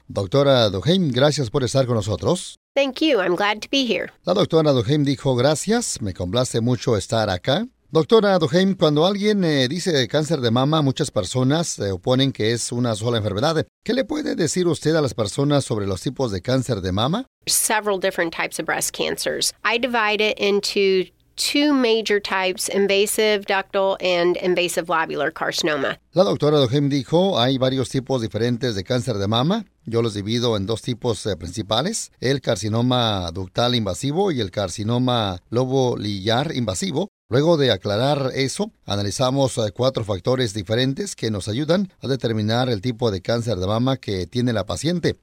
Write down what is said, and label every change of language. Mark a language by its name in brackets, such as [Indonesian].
[Spanish] Doctora Doheim, gracias por estar con nosotros. [English] Thank you. I'm glad to be here. [Spanish] La doctora Doheim dijo gracias. Me complace mucho estar acá. Doctora Doheim, cuando alguien dice cáncer de mama, muchas personas se oponen que es una sola enfermedad. ¿Qué le puede decir usted a las personas sobre los tipos de cáncer de mama? [English] Several different types of breast cancers. I divide it into two major types, invasive ductal and invasive lobular carcinoma. [Spanish] La doctora Doheim dijo, hay varios tipos diferentes de cáncer de mama. Yo los divido en dos tipos principales, el carcinoma ductal invasivo y el carcinoma lobo-liliar invasivo. Luego de aclarar eso, analizamos cuatro factores diferentes que nos ayudan a determinar el tipo de cáncer de mama que tiene la paciente.